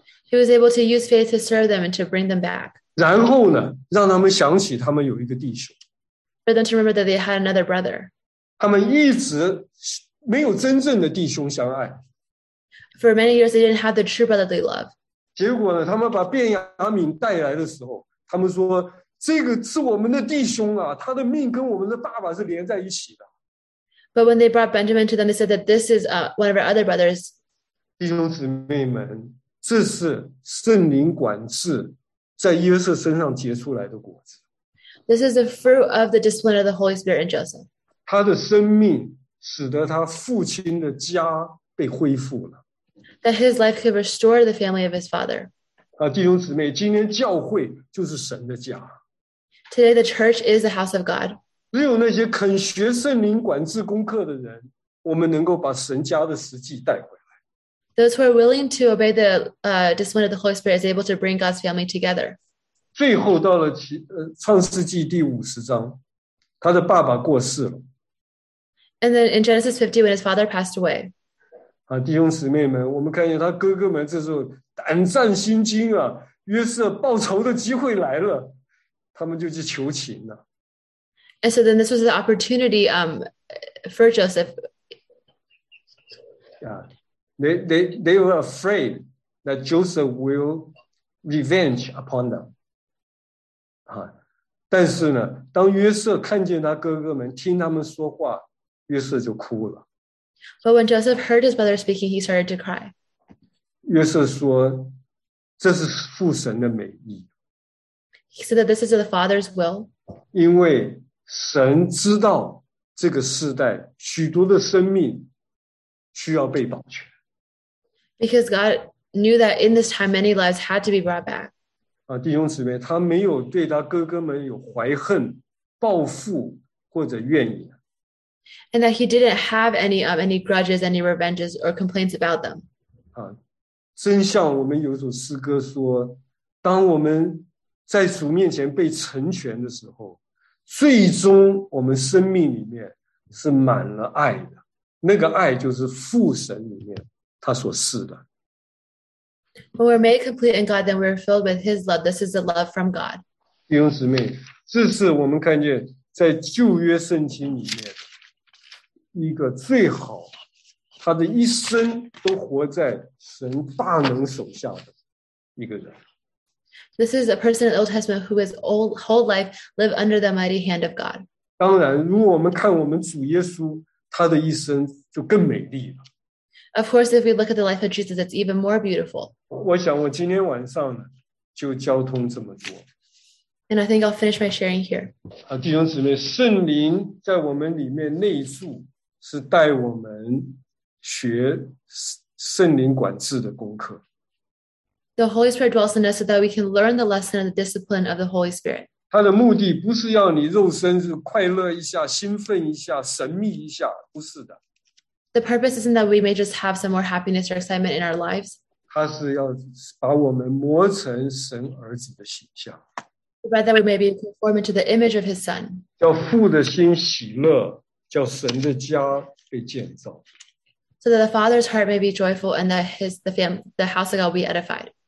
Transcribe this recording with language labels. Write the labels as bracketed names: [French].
[English] He was able to use faith to serve them and to bring them back. [Chinese] 然后呢，让他们想起他们有一个弟兄。 [English] For them to remember that they had another brother. [Chinese] 他们一直没有真正的弟兄相爱。 [English] For many years, they didn't have the true brotherly love. [Chinese] 结果呢，他们把便雅悯带来的时候，他们说，这个是我们的弟兄啊，他的命跟我们的爸爸是连在一起的。 [English] But when they brought Benjamin to them, they said that this is one of our other brothers. [Chinese] 弟兄姊妹们，这是圣灵管制在约瑟身上结出来的果子。 [English] This is the fruit of the discipline of the Holy Spirit in Joseph. [Chinese] 他的生命使得他父亲的家被恢复了。 [English] That his life could restore the family of his father. [Chinese] 弟兄姊妹，今天教会就是神的家。 [English] Today the church is the house of God. [Chinese] 只有那些肯学圣灵管制功课的人，我们能够把神家的实际带回来。 [English] Those who are willing to obey the discipline of the Holy Spirit is able to bring God's family together. [Chinese] 最后到了创世纪第五十章，他的爸爸过世了。 [English] And then in Genesis 50, when his father passed away. [Chinese] 弟兄姊妹们，我们看见他哥哥们这时候胆战心惊啊，约瑟报仇的机会来了，他们就去求情了。 [English] And so then this was the opportunity for Joseph. They were afraid that Joseph will revenge upon them. [Chinese] 但是呢，当约瑟看见他哥哥们听他们说话，约瑟就哭了。 [English] But when Joseph heard his brother speaking, he started to cry. [Chinese] 约瑟说，这是父神的美意。 [English] He said that this is the Father's will. [Chinese] 因为神知道这个世代许多的生命需要被保全。 [English] Because God knew that in this time, many lives had to be brought back. [Chinese] 弟兄姊妹，他没有对他哥哥们有怀恨、报复或者怨言。 [English] And that he didn't have any grudges, any revenges or complaints about them. [Chinese] 真像我们有一首诗歌说，当我们在主面前被成全的时候，最终我们生命里面是满了爱的，那个爱就是父神里面。他所赐的。 [English] When we're made complete in God, then we're filled with His love. This is the love from God. [Chinese] 弟兄姊妹，这是我们看见在旧约圣经里面一个最好，他的一生都活在神大能手下的一个人。 [English] This is a person in the Old Testament who his whole life lived under the mighty hand of God. [Chinese] 当然，如果我们看我们主耶稣，他的一生就更美丽了。 [English] Of course, if we look at the life of Jesus, it's even more beautiful. [Chinese] 我想我今天晚上呢，就交通这么多。 [English] And I think I'll finish my sharing here. [Chinese] 弟兄姊妹，圣灵在我们里面内住，是带我们学圣灵管制的功课。 [English] The Holy Spirit dwells in us so that we can learn the lesson of the discipline of the Holy Spirit. [Chinese] 他的目的不是要你肉身是快乐一下、兴奋一下、神秘一下，不是的。 [English] The purpose isn't that we may just have some more happiness or excitement in our lives. [Chinese] 他是要把我们磨成神儿子的形象。 [English] But that we may be conformed to the image of his son. [Chinese] 叫父的心喜乐，叫神的家被建造。 So that the father's heart may be joyful and that the house of God be edified.